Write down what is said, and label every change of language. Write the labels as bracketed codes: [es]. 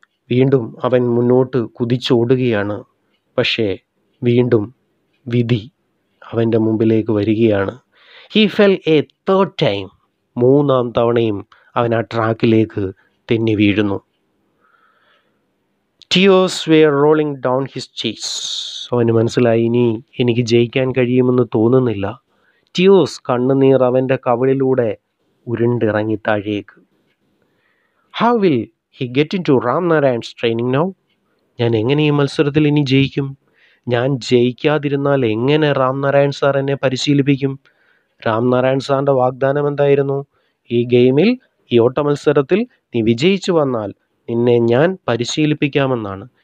[ml] വീണ്ടും അവൻ മുന്നോട്ട് കുതിച്ചോടുകയാണ്. പക്ഷേ വീണ്ടും വിധി അവൻ്റെ മുമ്പിലേക്ക് വരികയാണ്. [en] he fell A third time, [ml] മൂന്നാം തവണയും അവൻ ആ ട്രാക്കിലേക്ക് തെന്നി വീഴുന്നു. [en] Tears were rolling down his cheeks. [ml] അവന് മനസ്സിലായി, ഇനി എനിക്ക് ജയിക്കാൻ കഴിയുമെന്ന് തോന്നുന്നില്ല. Tears, കണ്ണുനീർ അവൻ്റെ കവിളിലൂടെ ഉരുണ്ടിറങ്ങി താഴേക്ക്. [en] How will he get into Ram Narayan's training now? [ml] ഞാൻ എങ്ങനെ ഈ മത്സരത്തിൽ ഇനി ജയിക്കും? ഞാൻ ജയിക്കാതിരുന്നാൽ എങ്ങനെ റാം നാരായൺ സാർ എന്നെ പരിശീലിപ്പിക്കും? റാം നാരായൺ സാറിൻ്റെ വാഗ്ദാനം എന്തായിരുന്നു? ഈ ഗെയിമിൽ, ഈ ഓട്ട മത്സരത്തിൽ നീ വിജയിച്ചു വന്നാൽ നിന്നെ ഞാൻ പരിശീലിപ്പിക്കാമെന്നാണ്.